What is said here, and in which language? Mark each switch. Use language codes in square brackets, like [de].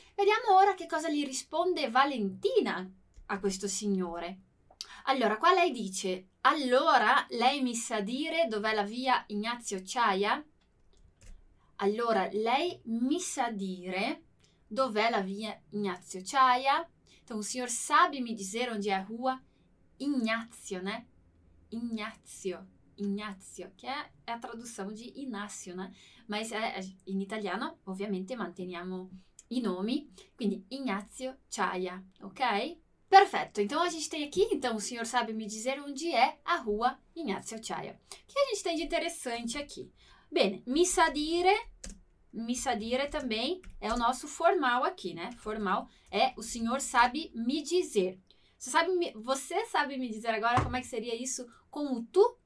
[it] Vediamo ora che cosa gli risponde Valentina a questo signore. Allora, qua lei dice: allora lei mi sa dire dov'è la via Ignazio Chiaia? Allora lei mi sa dire dov'è la via Ignazio Chiaia? [pt] Então, o senhor sabe me dizer onde é a rua Ignazio, né? Ignazio. [it] Ignazio, che è la traduzione di Inazio, né? Ma in italiano ovviamente manteniamo i nomi, quindi Ignazio Chiaia, ok? [pt] Perfetto, então a gente tem aqui, então o senhor sabe me dizer onde é a rua Ignazio Chiaia. O que a gente tem de interessante aqui? Bene, [it] mi sa dire [pt] também é o nosso formal aqui, né? Formal é o senhor sabe me dizer. Você sabe me dizer agora como é que seria isso com o tu?